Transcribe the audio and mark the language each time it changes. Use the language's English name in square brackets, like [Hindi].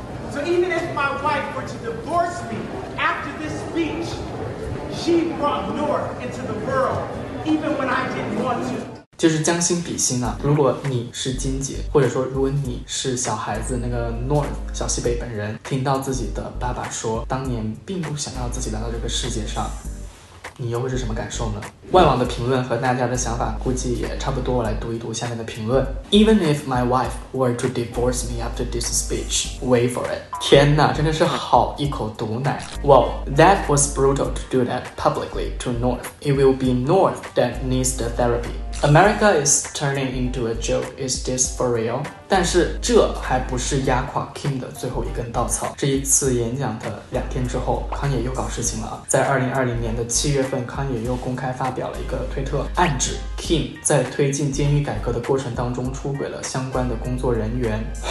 [English] So even if my wife were to divorce me after this speech, she brought North into the world, even when I didn't want to. [Chinese] 就是将心比心啊，如果你是金姐，或者说如果你是小孩子那个 North 小西北本人，听到自己的爸爸说当年并不想要自己来到这个世界上，你又会是什么感受呢？外网的评论和大家的想法估计也差不多，我来读一读下面的评论。 [English] Even if my wife were to divorce me after this speech, wait for it. [Chinese] 天哪，真的是好一口毒奶。 [English] Well, that was brutal to do that publicly to North. It will be North that needs the therapy. America is turning into a joke. Is this for real? [Chinese] 但是这还不是压垮 Kim 的最后一根稻草。这一次演讲的两天之后，康也又搞事情了。在2020年的七月份，康也又公开发表了一个推特，暗指 Kim 在推进监狱改革的过程当中出轨了相关的工作人员。